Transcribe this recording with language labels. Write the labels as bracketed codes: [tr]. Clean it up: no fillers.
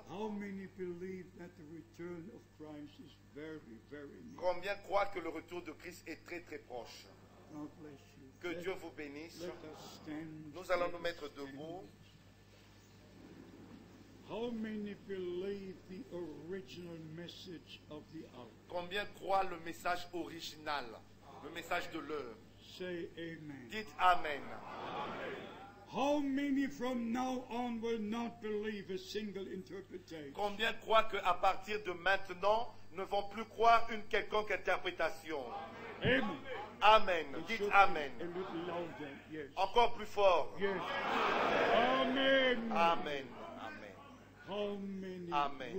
[en] how many believe that the return of Christ is very, very near? [fr] Combien croient que le retour de Christ est très, très proche? [en] God bless you. [fr] Que Dieu vous bénisse. [en] Let us stand. [fr] Nous allons nous mettre debout. [en] How many believe the original message of the hour? [fr] Combien croient le message original, le message de l'heure? [en] Say amen. [fr] Dites amen. Amen. [en] How many from now on will not believe a single interpretation? [fr] Combien croient que à partir de maintenant ne vont plus croire une quelconque interprétation? Amen. Amen. Amen. Dites amen. [en] A little louder. Yes. [fr] Encore plus fort. [en] Yes. Amen. Amen. Amen. How many amen.